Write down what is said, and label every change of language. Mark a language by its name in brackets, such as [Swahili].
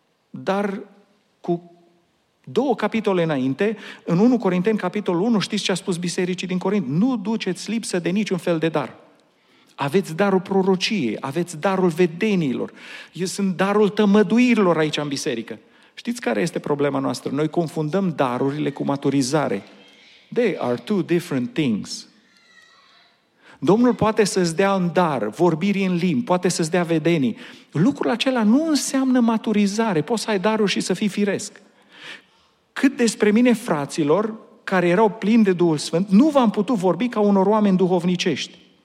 [Romanian] Dar cu două capitole înainte, în 1 Corinteni, capitolul 1, știți ce a spus bisericii din Corint? Nu duceți lipsă de niciun fel de dar. Aveți darul prorociei, aveți darul vedeniilor. Eu sunt darul tămăduirilor aici în biserică. Știți care este problema noastră? Noi confundăm darurile cu maturizare. [English] They are two different things. [Romanian] Domnul poate să-ți dea un dar, vorbiri în limbi, poate să-ți dea vedenii. Lucrul acela nu înseamnă maturizare. Poți să ai darul și să fii firesc. Cât despre mine, fraților, care erau plini de Duhul Sfânt, nu v-am putut vorbi ca unor oameni duhovnicești.